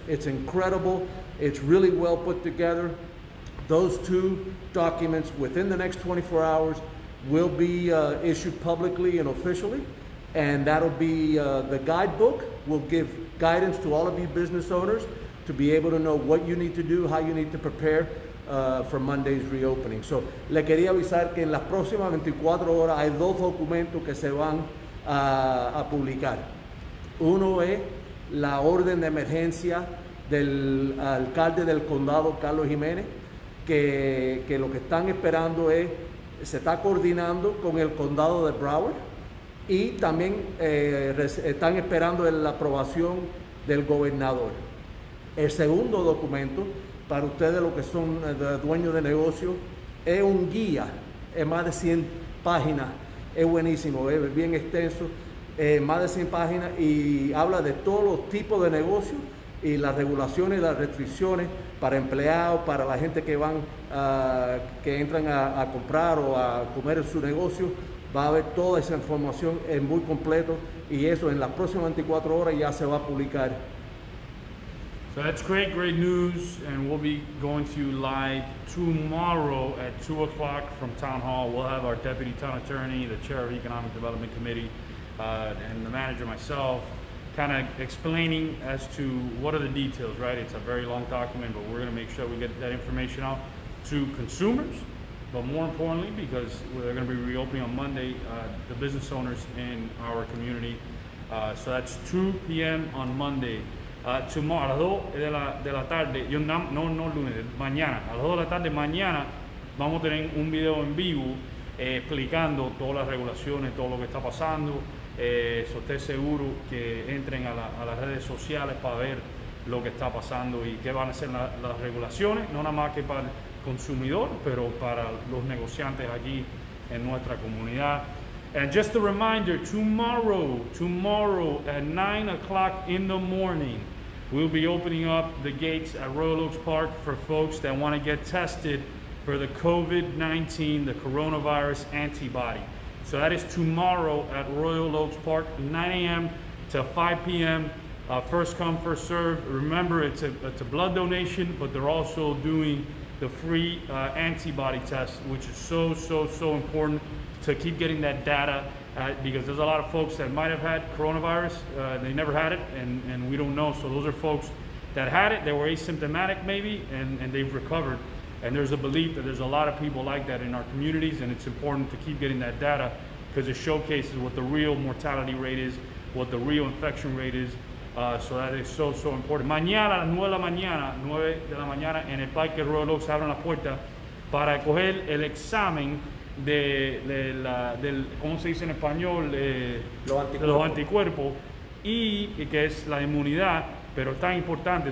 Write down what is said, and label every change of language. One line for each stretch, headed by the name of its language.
English: It's incredible. It's really well put together. Those two documents within the next 24 hours will be issued publicly and officially. And that'll be the guidebook. We'll give guidance to all of you business owners to be able to know what you need to do, how you need to prepare for Monday's reopening.
Spanish: So, le quería avisar que en las próximas 24 horas hay 2 documentos que se van a publicar. Uno es la orden de emergencia del alcalde del condado, Carlos Jiménez, que lo que están esperando es, se está coordinando con el condado de Broward y también están esperando la aprobación del gobernador. El segundo documento, para ustedes los que son dueños de negocio, es un guía, es más de 100 páginas, es buenísimo, es bien extenso, más de 100 páginas y habla de todos los tipos de negocios y las regulaciones y las restricciones para empleados, para la gente que van, que entran a comprar o a comer en su negocio. Va a haber toda esa información en muy completo y eso en las próximas 24 horas ya se va a publicar.
English: So that's great, great news, and we'll be going to you live tomorrow at 2 o'clock from Town Hall. We'll have our deputy town attorney, the chair of Economic Development Committee, and the manager, myself, kind of explaining as to what are the details, right? It's a very long document, but we're going to make sure we get that information out to consumers, but more importantly, because we're going to be reopening on Monday, the business owners in our community. So that's 2 p.m. on Monday. Tomorrow,
Spanish: a las 2 de la tarde, no lunes, mañana, a las 2 de la tarde, mañana, vamos a tener un video en vivo explicando todas las regulaciones, todo lo que está pasando. So esté seguro que entren a las redes sociales para ver lo que está pasando y qué van a ser las regulaciones, no nada más que para consumidor, pero para los negociantes aquí en nuestra comunidad.
English: And just a reminder, tomorrow at 9 o'clock in the morning, we'll be opening up the gates at Royal Oaks Park for folks that want to get tested for the COVID-19, the coronavirus antibody. So that is tomorrow at Royal Oaks Park, 9 a.m. to 5 p.m. First come, first serve. Remember, it's a blood donation, but they're also doing the free antibody test, which is so important to keep getting that data, because there's a lot of folks that might have had coronavirus, they never had it, and we don't know. So those are folks that had it, they were asymptomatic maybe, and they've recovered. And there's a belief that there's a lot of people like that in our communities, and it's important to keep getting that data because it showcases what the real mortality rate is, what the real infection rate is. So that is so important.
Spanish: Mañana, 9 de la mañana, 9 de la mañana, en el parque Royal Oaks abren la puerta para coger el examen del ¿cómo se dice en español? Los anticuerpos. Y que es la inmunidad, pero tan importante.